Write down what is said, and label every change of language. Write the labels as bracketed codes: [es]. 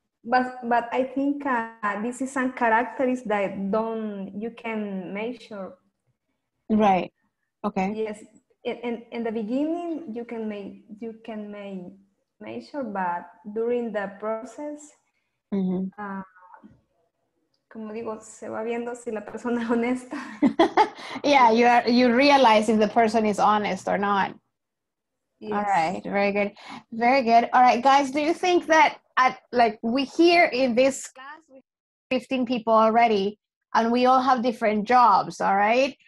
[en] But I think this is some characteristics that you can measure. Right. Okay. Yes. In the beginning you can make measure, but during the process, mm-hmm. [es] Como digo, se va viendo si la persona es honesta. [en] Yeah, you realize if the person is honest or not. Yes. All right. Very good. Very good. All right, guys. Do you think that? Like we here in this class, we have 15 people already, and we all have different jobs, all right?